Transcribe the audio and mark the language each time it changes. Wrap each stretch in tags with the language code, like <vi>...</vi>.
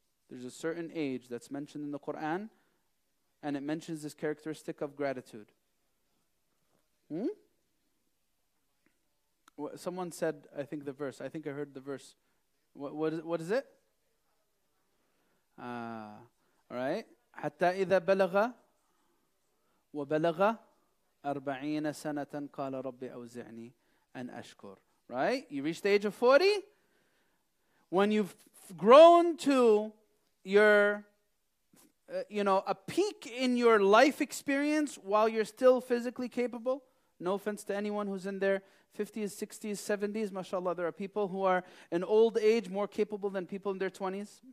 <en>There's a certain age that's mentioned in the Qur'an, and it mentions this characteristic of gratitude. Someone said, I think the verse. I think I heard the verse. What is it? All right.</en> <ar>حتى إذا بلغ وبلغ أربعين سنة قال ربي أوزعني أن أشكر.</ar> <en>Right? You reach the age of 40. When you've grown to your, a peak in your life experience while you're still physically capable. No offense to anyone who's in their 50s, 60s, 70s. MashaAllah, there are people who are in old age more capable than people in their 20s.</en>